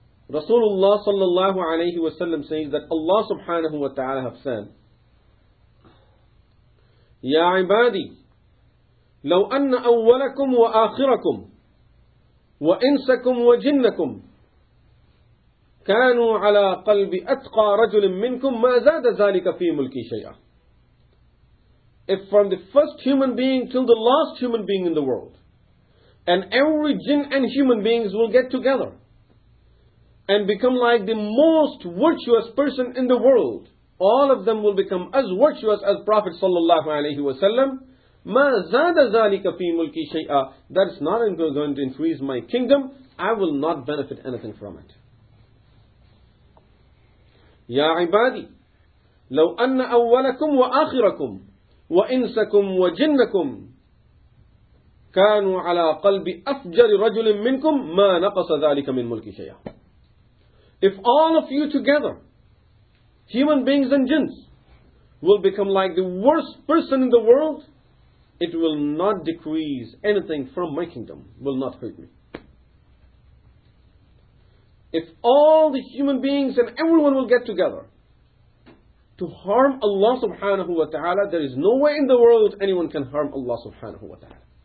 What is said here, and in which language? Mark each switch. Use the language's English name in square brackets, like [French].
[Arabic] Rasulullah sallallahu alayhi wa sallam [English] says that [Arabic] Allah subhanahu wa ta'ala [English] have said, [Arabic] Ya ibadi, لو أن أولكم وآخركم وإنسكم وجنكم كانوا على قلب أتقى رجل منكم ما زاد ذلك في ملكي شيئا. [English] If from the first human being till the last human being in the world, and every jinn and human beings will get together and become like the most virtuous person in the world, all of them will become as virtuous as Prophet sallallahu alayhi wa sallam, [Arabic] مَا زَادَ ذَلِكَ فِي مُلْكِ شَيْئًا, [English] that's not going to increase my kingdom, I will not benefit anything from it. [Arabic] يَا عِبَادِي لَوْ أَنَّ أَوَّلَكُمْ وَآخِرَكُمْ وَإِنْسَكُمْ وَجِنَّكُمْ كانوا على قلب أفجر رجل منكم ما نقص ذلك من ملك شيئا. [English] If all of you together, human beings and jinns, will become like the worst person in the world, it will not decrease anything from my kingdom, will not hurt me. If all the human beings and everyone will get together to harm Allah subhanahu wa ta'ala, there is no way in the world anyone can harm Allah subhanahu wa ta'ala.